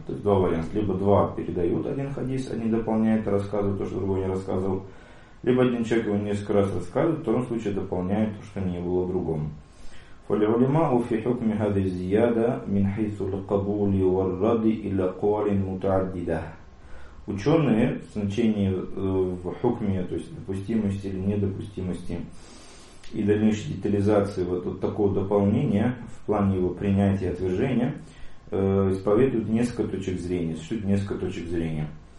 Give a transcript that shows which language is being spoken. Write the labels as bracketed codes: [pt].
[ru] То есть два варианта: либо два передают один хадис, один дополняет, рассказывает то, что другой не рассказывал, либо один человек его несколько раз рассказывает, в втором случае дополняет то, что не было в другом. [ar] فالعلماء في حكم هذه الزيادة من حيث القبول والرد إلى قوال متعددة. [ru] Ученые в значении в хукме, то есть допустимости или недопустимости и дальнейшей детализации вот такого дополнения в плане его принятия и отвержения, исповедуют несколько точек зрения, существует несколько точек зрения.